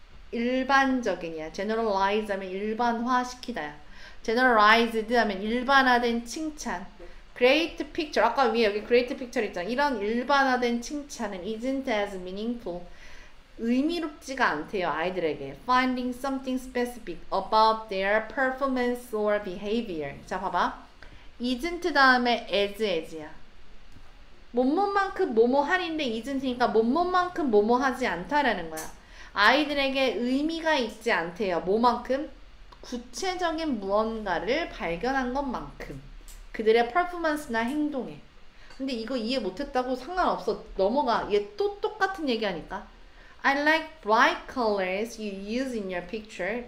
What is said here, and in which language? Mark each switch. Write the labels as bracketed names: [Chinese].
[Korean] 일반적인이야. generalize 하면 일반화시키다야. generalized 하면 일반화된 칭찬. [English] great picture [Korean] 아까 위에 여기 great picture 있잖아. 이런 일반화된 칭찬은 [English] isn't as meaningful. [Korean] 의미롭지가 않대요, 아이들에게. [English] Finding something specific about their performance or behavior. [Korean] 자, 봐봐. isn't 다음에 as야. 뭐뭐만큼 뭐뭐 할인데 isn't니까 뭐뭐만큼 뭐뭐 하지 않다라는 거야. 아이들에게 의미가 있지 않대요. 뭐만큼? 구체적인 무언가를 발견한 것만큼. 그들의 퍼포먼스나 행동에. 근데 이거 이해 못했다고 상관없어. 넘어가. 얘또 똑같은 얘기하니까. [English] I like bright colors you use in your picture.